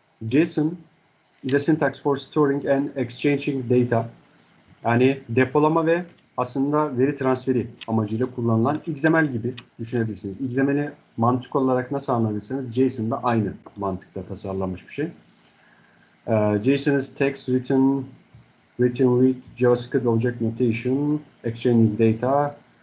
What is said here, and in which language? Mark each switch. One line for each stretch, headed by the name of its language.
English: JSON is a syntax for storing and exchanging data.
Turkish: Yani depolama ve aslında veri transferi amacıyla kullanılan XML gibi düşünebilirsiniz. XML'i mantık olarak nasıl anlarsanız JSON da aynı mantıkla tasarlanmış bir şey.
English: JSON is text written with JavaScript Object Notation, exchanging data.